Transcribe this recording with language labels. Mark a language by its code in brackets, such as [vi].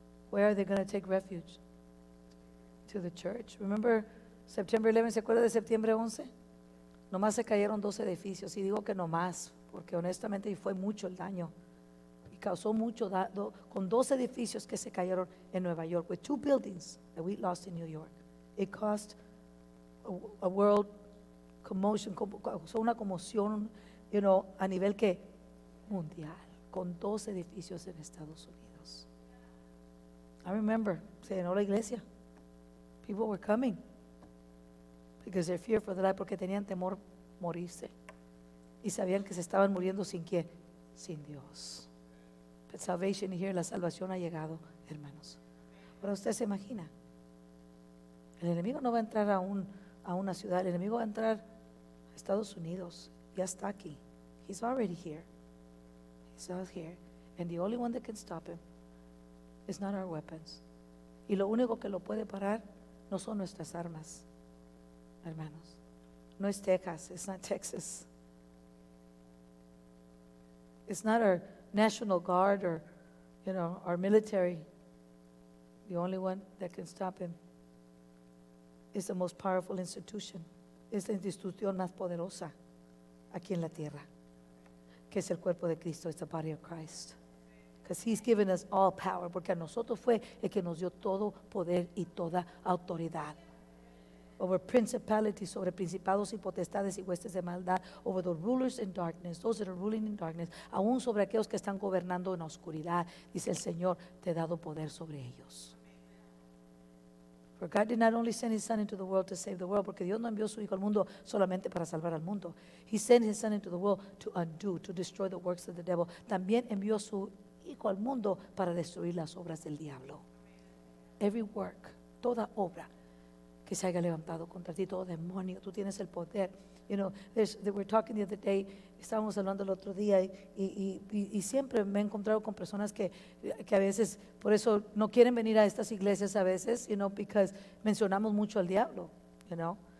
[en] Where are they going to take refuge? To the church. Remember September 11, [es] ¿se acuerda de septiembre 11? Nomás se cayeron 12 edificios, y digo que nomás, porque honestamente fue mucho el daño. Y causó mucho daño con 12 edificios que se cayeron en Nueva York. [en] With two buildings that we lost in New York. It caused a world commotion, [es] causó una conmoción, [en] you know, [es] a nivel que mundial, con 12 edificios en Estados Unidos. [en] I remember, [es] se llenó la iglesia. [en] People were coming because they feared for the life, [es] porque tenían temor morirse. Y sabían que se estaban muriendo sin quién, sin Dios. [en] salvation is here. [es] La salvación ha llegado, hermanos. Pero usted se imagina, el enemigo no va a entrar a una ciudad. El enemigo va a entrar a Estados Unidos. Ya está aquí. [en] He's already here. He's out here. And the only one that can stop him is not our weapons. [es] Y lo único que lo puede parar no son nuestras armas, hermanos. No es Texas. [en] It's not Texas. It's not our National Guard or, you know, our military. The only one that can stop him is the most powerful institution. [es] Es la institución más poderosa aquí en la tierra, que es el cuerpo de Cristo, es [en] the body of Christ. Because he's given us all power. [es] Porque a nosotros fue el que nos dio todo poder y toda autoridad. [en] Over principalities, [es] sobre principados y potestades y huestes de maldad, [en] over the rulers in darkness, [es] those that are ruling in darkness, aún sobre aquellos que están gobernando en oscuridad, dice el Señor, te he dado poder sobre ellos. [en] For God did not only send his son into the world to save the world, [es] porque Dios no envió su hijo al mundo solamente para salvar al mundo. [en] He sent his son into the world to undo, to destroy the works of the devil. [es] También envió su hijo al mundo para destruir las obras del diablo. [en] Every work, [es] toda obra que se haya levantado contra ti, todo demonio, tú tienes el poder. [en] You know, we're talking the other day, [es] estábamos hablando el otro día, y siempre me he encontrado con personas que a veces, por eso no quieren venir a estas iglesias a veces, [en] you know, because [es] mencionamos mucho al diablo, [en] you know.